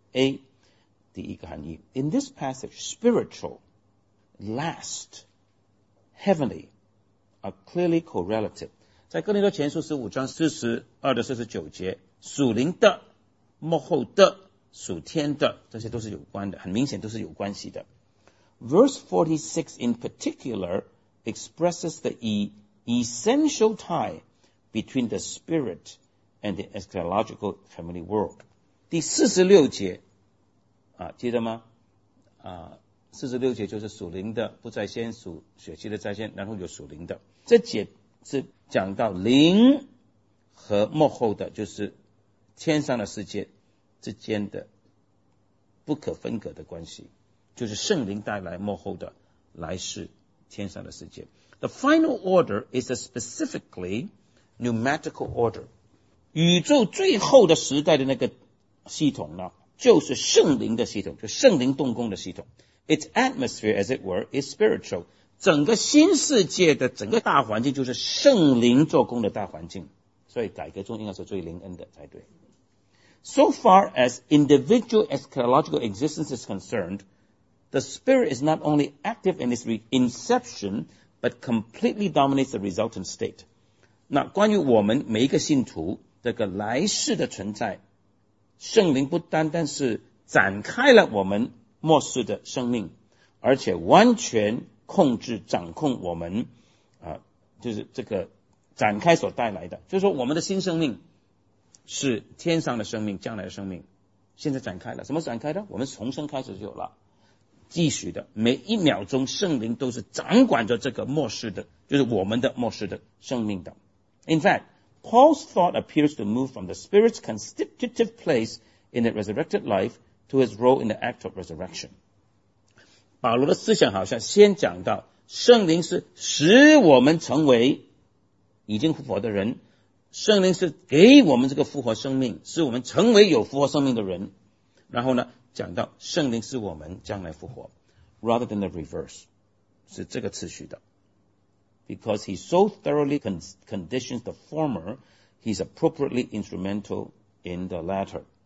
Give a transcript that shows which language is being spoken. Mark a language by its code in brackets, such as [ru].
[en] A, [zh] 第一个含义 [en] In this passage, spiritual, last, heavenly,are clearly correlative. [zh] 在哥林多前书15:42-49, 属灵的、幕后的、属天的，这些都是有关的，很明显都是有关系的。 [en] Verse 46 in particular expresses the essential tie between the spirit and the eschatological heavenly world. [zh] 第46节，记得吗？ 46节就是属灵的不在先，属血气的在先，然后有属灵的。这节是讲到灵和幕后的，就是天上的世界之间的不可分割的关系，就是圣灵带来幕后的来世天上的世界。 [en] The final order is a specifically pneumatical order. [zh] 宇宙最后的时代的那个系统呢，就是圣灵的系统，就是圣灵动工的系统。 [en] Its atmosphere, as it were, is spiritual. [zh] 整个新世界的整个大环境就是圣灵做工的大环境，所以改革中应该是最灵恩的才对。 [en] So far as individual eschatological existence is concerned, the spirit is not only active in its inception, but completely dominates the resultant state. [zh] 那关于我们每一个信徒这个来世的存在，圣灵不单单是展开了我们末世的生命，而且完全控制掌控我们就是这个展开所带来的，就是说我们的新生命是天上的生命，将来的生命现在展开了，什么展开的？我们重生开始就有了，继续的每一秒钟圣灵都是掌管着这个末世的，就是我们的末世的生命的。 [en] In fact, Paul's thought appears to move from the spirit's constitutive place in the resurrected lifeto his role in the act of resurrection. [zh] 保罗的思想好像先讲到圣灵是使我们成为已经复活的人，圣灵是给我们这个复活生命，使我们成为有复活生命的人，然后呢，讲到圣灵是我们将来复活 [en] rather than the reverse， [zh] 是这个次序的。 [en] Because he so thoroughly conditions the former, he's appropriately instrumental in the latter.